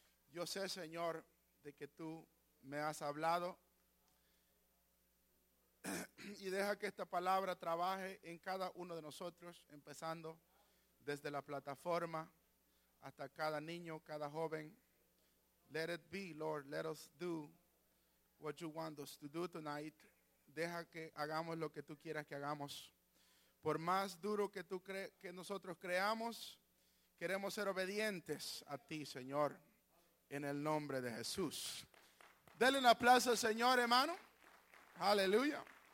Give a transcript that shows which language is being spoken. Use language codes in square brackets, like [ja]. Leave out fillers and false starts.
[es] Yo sé, Señor, de que tú me has hablado. Y deja que esta palabra trabaje en cada uno de nosotros, empezando desde la plataforma hasta cada niño, cada joven. [en] Let it be, Lord. Let us do what you want us to do tonight. [es] Deja que hagamos lo que tú quieras que hagamos. Por más duro que tú que nosotros creamos, queremos ser obedientes a ti, Señor, en el nombre de Jesús. Dele un aplauso al Señor, hermano. Aleluya.